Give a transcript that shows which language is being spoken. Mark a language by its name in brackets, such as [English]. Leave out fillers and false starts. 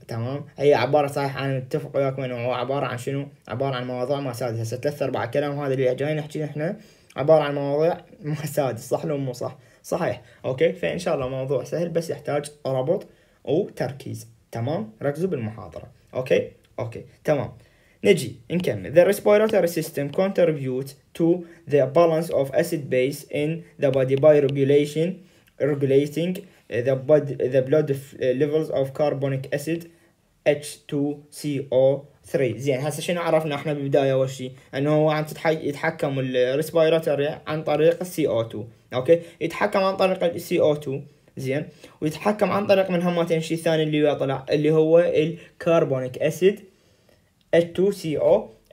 [Arabic] تمام، هي عباره صحيح انا متفق وياكم انه هو عباره عن شنو؟ عباره عن مواضيع ما سادس. هسه ثلاث اربع كلام هذا اللي جاي نحكي احنا عباره عن مواضيع ما سادس، صح لو مو صح؟ صحيح. اوكي، فان شاء الله موضوع سهل بس يحتاج ربط وتركيز. تمام، ركزوا بالمحاضره. اوكي تمام، نجي نكمل. [English] The respiratory system contributes to the balance of acid base in the body by regulating the blood levels of carbonic acid H2CO3. [Arabic] زين، هسه شنو عرفنا احنا بالبدايه؟ اول شيء انه هو عم يتحكم الريسبيراتوري عن طريق السي او 2. اوكي، يتحكم عن طريق السي او 2 زين، ويتحكم عن طريق من همتين شيء ثاني اللي هو طلع اللي هو الكربونيك اسيد H2CO3.